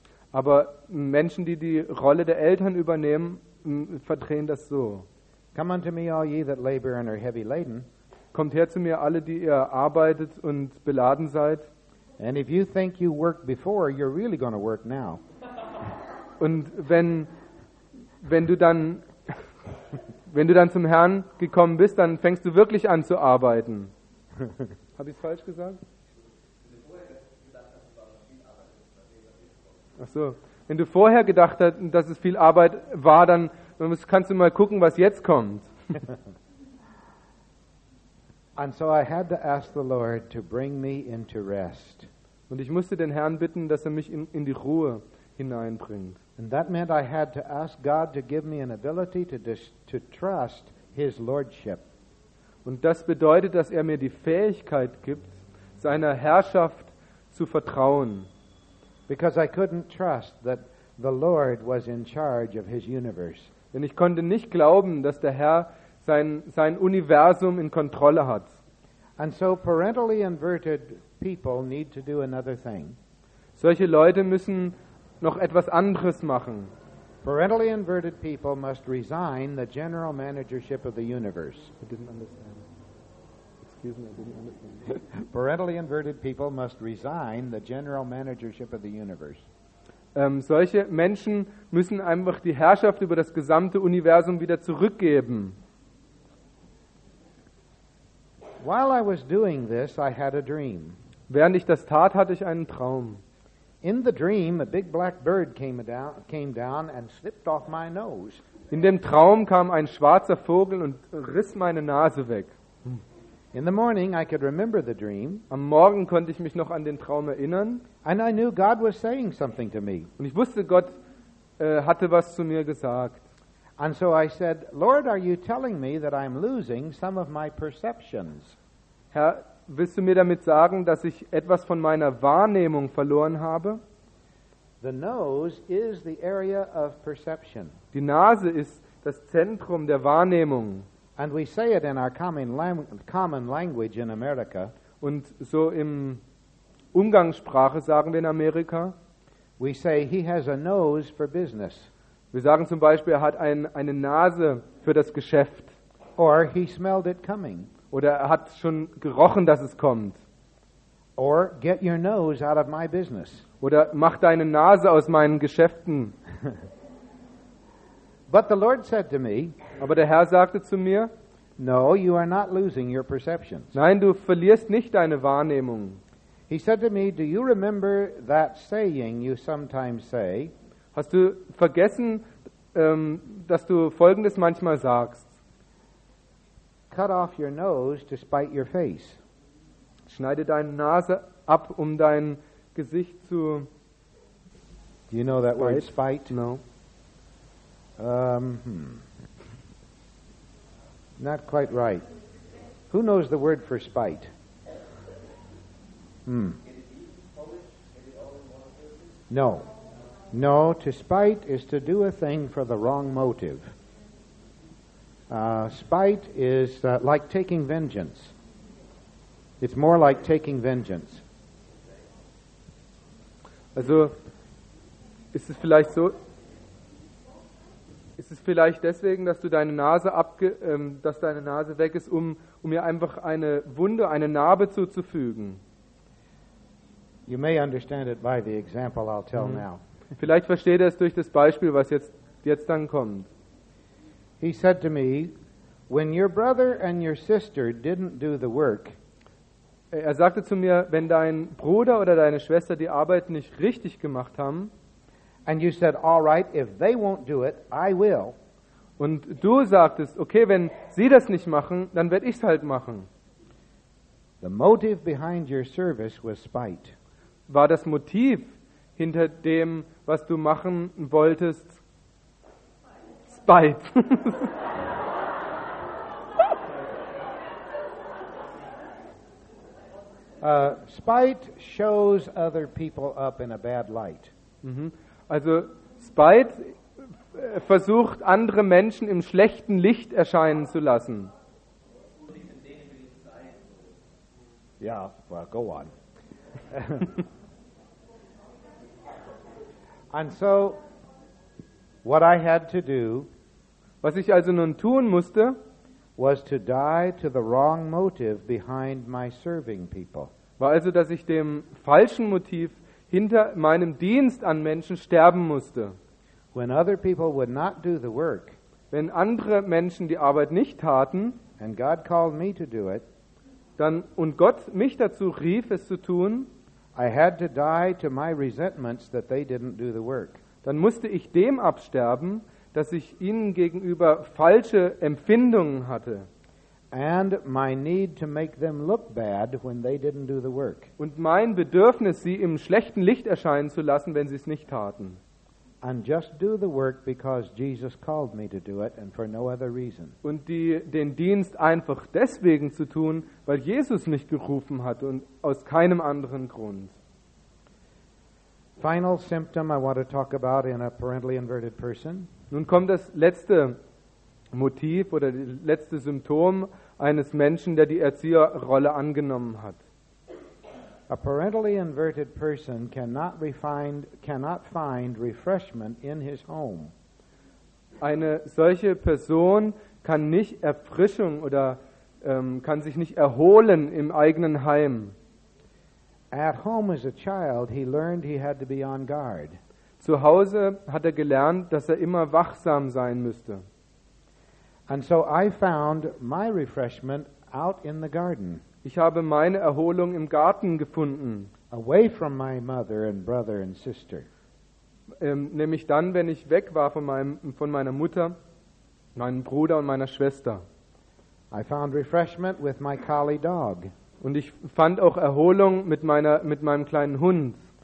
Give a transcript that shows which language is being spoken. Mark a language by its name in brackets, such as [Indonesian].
[German] Aber Menschen, die die Rolle der Eltern übernehmen, verdrehen das so. [English] Come unto me, all ye that labor and are heavy laden. [German] Kommt her zu mir, alle, die ihr arbeitet und beladen seid. [English] And if you think you worked before, you're really going to work now. [German] Und wenn du dann zum Herrn gekommen bist, dann fängst du wirklich an zu arbeiten. Habe ich es falsch gesagt? Ach so. Wenn du vorher gedacht hast, dass es viel Arbeit war, dann kannst du mal gucken, was jetzt kommt. [English] And so I had to ask the Lord to bring me into rest. [German] Und ich musste den Herrn bitten, dass er mich in die Ruhe hineinbringt. [English] And that meant I had to ask God to give me an ability to trust His lordship. [German] Und das bedeutet, dass er mir die Fähigkeit gibt, seiner Herrschaft zu vertrauen. [English] Because I couldn't trust that the Lord was in charge of His universe. [German] Denn ich konnte nicht glauben, dass der Herr sein Universum in Kontrolle hat. [English] And so parentally inverted people need to do another thing. [German] Solche Leute müssen noch etwas anderes machen. [English] Parentally inverted people must resign the general managership of the universe. I didn't understand. Excuse me, I didn't understand. Parentally inverted people must resign the general managership of the universe. [German] Solche Menschen müssen einfach die Herrschaft über das gesamte Universum wieder zurückgeben. [English] While I was doing this, I had a dream. [German] Während ich das tat, hatte ich einen Traum. [English] In the dream, a big black bird came down and slipped off my nose. [German] In dem Traum kam ein schwarzer Vogel und riss meine Nase weg. [English] In the morning, I could remember the dream. [German] Am Morgen konnte ich mich noch an den Traum erinnern. [English] And I knew God was saying something to me. [German] Und ich wusste, Gott hatte was zu mir gesagt. [English] And so I said, Lord, are you telling me that I'm losing some of my perceptions? [German] Herr, willst du mir damit sagen, dass ich etwas von meiner Wahrnehmung verloren habe? [English] The nose is the area of perception. [German] Die Nase ist das Zentrum der Wahrnehmung. [English] And we say it in our common language in America. [German] Und so im Umgangssprache sagen wir in Amerika. [English] We say he has a nose for business. [German] Wir sagen zum Beispiel, er hat eine Nase für das Geschäft. [English] Or he smelled it coming. [German] Oder er hat schon gerochen, dass es kommt. [English] Or get your nose out of my business. [German] Oder mach deine Nase aus meinen Geschäften. [English] But the Lord said to me, [German] aber der Herr sagte zu mir, [English] no, you are not losing your perceptions. [German] Nein, du verlierst nicht deine Wahrnehmung. [English] He said to me, do you remember that saying you sometimes say? [German] Hast du vergessen, dass du Folgendes manchmal sagst? [English] Cut off your nose to spite your face. [German] Schneide deine Nase ab, um dein Gesicht zu... [English] Do you know that word, spite? No. Not quite right. Who knows the word for spite? No. No, to spite is to do a thing for the wrong motive. Spite is like taking vengeance. It's more like taking vengeance. [German] Also, ist es vielleicht so? Ist es vielleicht deswegen, dass du deine Nase dass deine Nase weg ist, um mir einfach eine Wunde, eine Narbe zuzufügen? [English] You may understand it by the example I'll tell now. [German] Vielleicht versteht er es durch das Beispiel, was jetzt dann kommt. [English] He said to me, when your brother and your sister didn't do the work. [German] Er sagte zu mir, wenn dein Bruder oder deine Schwester die Arbeit nicht richtig gemacht haben. [English] And you said, all right, if they won't do it, I will. [German] Und du sagtest, okay, wenn sie das nicht machen, dann werde ich es halt machen. [English] The motive behind your service was spite. [German] War das Motiv hinter dem, was du machen wolltest, Spite. [English] Spite shows other people up in a bad light. [German] Also Spite versucht, andere Menschen im schlechten Licht erscheinen zu lassen. [English] Ja, well, go on. And so, what I had to do [German] Was ich also nun tun musste, [English] was to die to the wrong motive behind my serving people. [German] War also, dass ich dem falschen Motiv hinter meinem Dienst an Menschen sterben musste. [English] When other people would not do the work, [German] wenn andere Menschen die Arbeit nicht taten, [English] and God called me to do it, [German] dann und Gott mich dazu rief, es zu tun, [English] I had to die to my resentments that they didn't do the work. [German] Dann musste ich dem absterben, dass ich ihnen gegenüber falsche Empfindungen hatte. [English] And my need to make them look bad when they didn't do the work. [German] Und mein Bedürfnis, sie im schlechten Licht erscheinen zu lassen, wenn sie es nicht taten. [English] And just do the work because Jesus called me to do it and for no other reason. [German] Und die, den Dienst einfach deswegen zu tun, weil Jesus mich gerufen hat und aus keinem anderen Grund. [English] Final symptom I want to talk about in a parentally inverted person. [German] Nun kommt das letzte Motiv oder das letzte Symptom eines Menschen, der die Erzieherrolle angenommen hat. [English] A parentally inverted person cannot find refreshment in his home. [German] Eine solche Person kann nicht Erfrischung oder kann sich nicht erholen im eigenen Heim. [English] At home as a child, he learned he had to be on guard. [German] Zu Hause hat er gelernt, dass er immer wachsam sein müsste. [English] And so I found my refreshment out in the garden. [German] Ich habe meine Erholung im Garten gefunden. [English] Away from my mother and brother and sister. [German] Nämlich dann, wenn ich weg war von meiner Mutter, meinem Bruder und meiner Schwester. [English] I found refreshment with my collie dog. [German] Und ich fand auch Erholung mit meinem kleinen Hund.